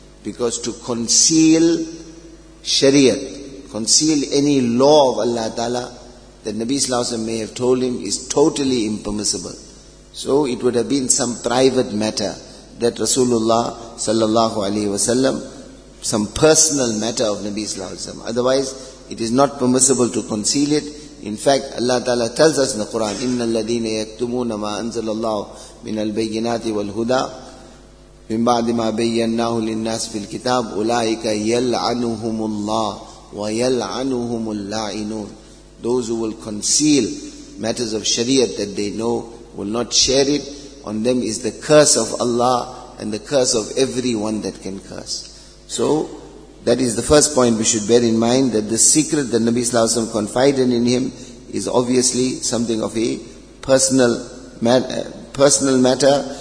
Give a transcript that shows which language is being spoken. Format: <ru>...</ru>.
<en>Because to conceal Shariat, conceal any law of Allah Ta'ala that Nabi Sallallahu Alaihi Wasallam may have told him, is totally impermissible. So it would have been some private matter that Rasulullah Sallallahu Alaihi Wasallam, some personal matter of Nabi Sallallahu Alaihi Wasallam. Otherwise, it is not permissible to conceal it. In fact, Allah Ta'ala tells us in the Quran,</en> <ar>إِنَّ الَّذِينَ يَكْتُمُونَ مَا أَنزَلَ اللَّهُ مِنَ الْبَيِّنَاتِ وَالْهُدَىٰ مِنْ بَعْدِ مَا بَيَّنَّاهُ لِلنَّاسِ فِي الْكِتَابِ أُولَٰئِكَ يَلْعَنُهُمُ اللَّهُ وَيَلْعَنُهُمُ اللَّاعِنُونَ.</ar> <en>Those who will conceal matters of Shariat that they know, will not share it, on them is the curse of Allah and the curse of everyone that can curse. So that is the first point we should bear in mind, that the secret that Nabi Sallallahu Alaihi Wasallam confided in him is obviously something of a personal matter.</en>